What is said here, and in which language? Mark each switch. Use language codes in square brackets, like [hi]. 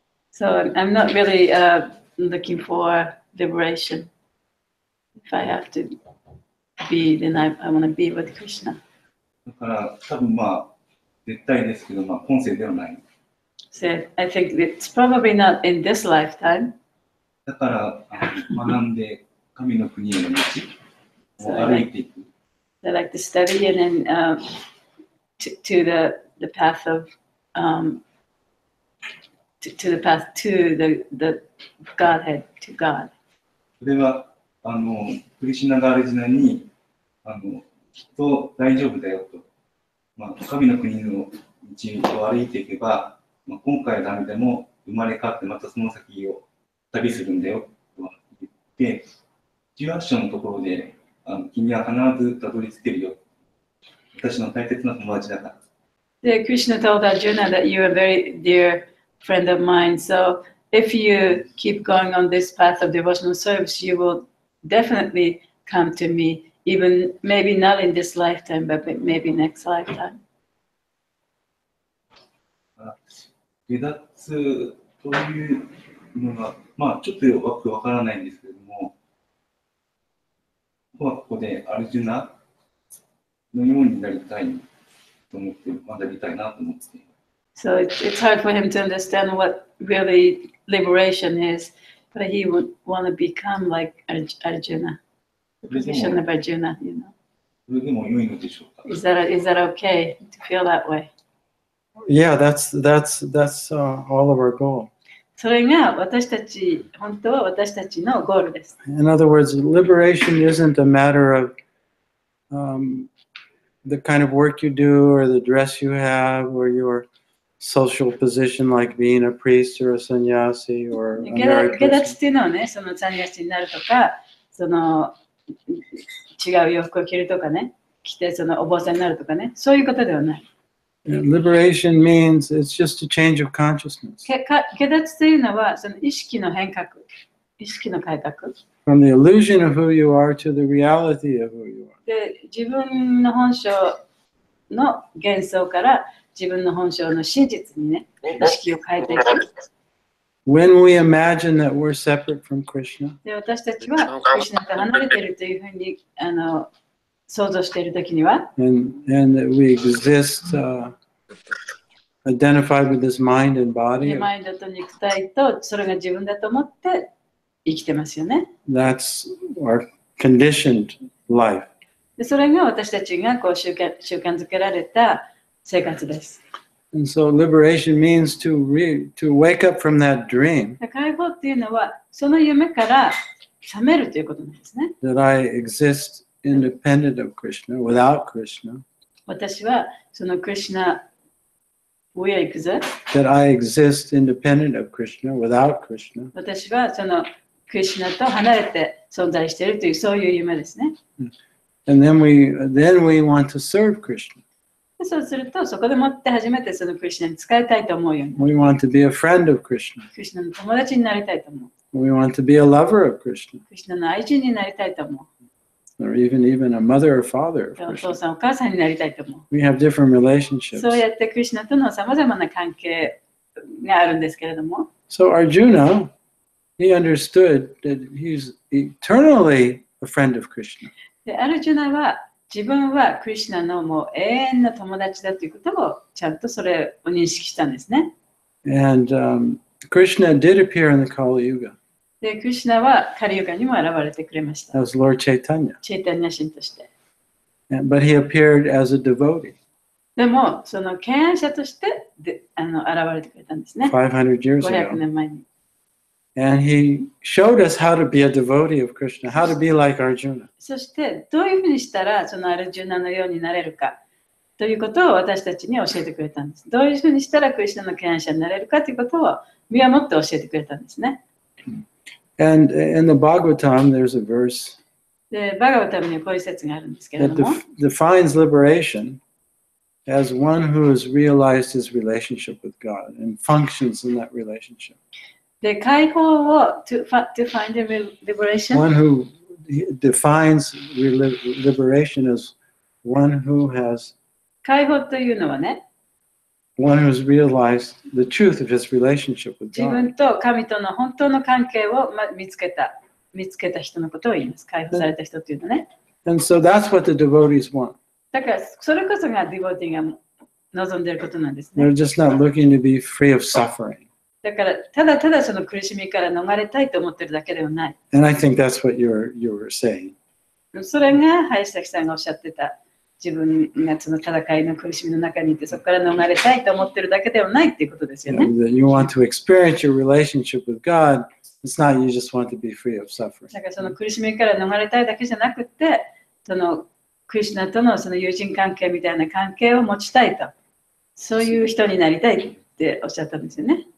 [en] So I'm not really looking for liberation. If I have to be, then I want to be with Krishna. So I think it's probably not in this lifetime. [ja] だから学んで神の国への道を歩いていく。 [en] So I like to study and then to the path to the Godhead, to God. [ja] それはクリシュナがアルジュナにきっと大丈夫だよと、まあ、神の国の道を歩いていけば、まあ、今回ダメでも生まれ変わってまたその先を旅するんだよと言って、18章のところで君は必ずたどり着けるよ。私の大切な友達だから。 [en] で、Krishna told Arjuna that you are a very dear friend of mine. So if you keep going on this path of devotional service, you will definitely come to me, even maybe not in this lifetime, but maybe next lifetime. [ja] 離脱というのが、まあ、ちょっとよくわからないんですけれども、ここはここでアルジュナのようになりたいと思って、学びたいなと思って。 [en] So it's hard for him to understand what really liberation is, but he would want to become like Arjuna, the position of Arjuna, you know. [ja] それでも良いのでしょうか? [en] Is that okay to feel that way? Yeah, that's all of our goal. [ja] それが私たち、本当は私たちのゴールです。 [en] In other words, liberation isn't a matter of the kind of work you do or the dress you have or your social position like being a priest or a sannyasi or a married person. [ja] 離脱っていうのはね、そのサンヤシになるとか、その違う洋服を着るとかね、着てそのお坊さんになるとかね、そういうことではない。 [en] Liberation means it's just a change of consciousness. [ja] 解脱というのはその意識の変革、意識の改革。 [en] From the illusion of who you are to the reality of who you are. [ja] で、自分の本性の幻想から自分の本性の真実にね、意識を変えていく。 [en] When we imagine that we're separate from Krishna. [ja] で、私たちはクリシュナから離れているというふうに想像しているときには、 [en] and that we exist identified with this mind and body. [ja] マインドと肉体とそれが自分だと思って生きてますよね。 [en] That's our conditioned life. [ja] でそれが私たちがこう習慣づけられた生活です。 [en] And so liberation means to wake up from that dream. [ja] 解放っていうのはその夢から覚めるということなんですね。 [en] That I exist. Independent of Krishna, without Krishna. [ja] 私はそのクリシュナ [en] we exist. That I exist independent of Krishna, without Krishna. [ja] 私はそのクリシュナと離れて存在しているというそういう夢ですね。 [en] And then we want to serve Krishna. [ja] そうするとそこでもって初めてそのクリシュナに使いたいと思うよ。 [en] We want to be a friend of Krishna. [ja] クリシュナの友達になりたいと思う。 [en] We want to be a lover of Krishna. [ja] クリシュナの愛人になりたいと思う。 [en] Or even a mother or father. [ja] お父さんお母さんになりたいと思う。 [en] We have different relationships. [ja] そうやってクリシュナとのさまざまな関係があるんですけれども。 [en] So Arjuna, he understood that he's eternally a friend of Krishna. [ja] で、アルジュナは自分はクリシュナのもう永遠の友達だということをちゃんとそれを認識したんですね。 [en] And Krishna did appear in the Kali Yuga. [ja] でクリシュナはカリユガにも現れてくれました。 [en] As Lord Chaitanya. [ja] チェイタニア神として。 [en] But he appeared as a devotee. [ja] でもその敬愛者としてで現れてくれたんですね。 [en] 500 years ago. [ja] 500年前に。 [en] And he showed us how to be a devotee of Krishna, how to be like Arjuna. [ja] そしてどういうふうにしたらそのアルジュナのようになれるか、ということを私たちに教えてくれたんです。どういうふうにしたらクリスチャンの権威者になれるかということを身をもって教えてくれたんですね。 [en] And in the Bhagavatam, there's a verse. [ja] で、バガヴァタムにはこういう説があるんですけれども。 [en] That defines liberation as one who has realized his relationship with God and functions in that relationship. [ja] で、解放を [en] define liberation? One who defines liberation as one who has [ja] 解放というのはね、 [en] one who has realized the truth of his relationship with God. [ja] 自分と神との本当の関係を見つけた人のことを言います。解放された人というのね。 [en] And so that's what the devotees want. [ja] だからそれこそがディボティが望んでいることなんですね。 [en] They're just not looking to be free of suffering. [ja] だからただただその苦しみから逃れたいと思ってるだけではない。 [en] And I think that's what you were saying. [ja] それが林崎さんがおっしゃってた。自分がその戦いの苦しみの中にいてそこから逃れたいと思ってるだけではないっていうことですよね。 [en] Yeah, you want to experience your relationship with God. It's not you just want to be free of suffering. [ja] だからその苦しみから逃れたいだけじゃなくて、そのクリシュナとのその友人関係みたいな関係を持ちたいと、そういう人になりたいっておっしゃったんですよね。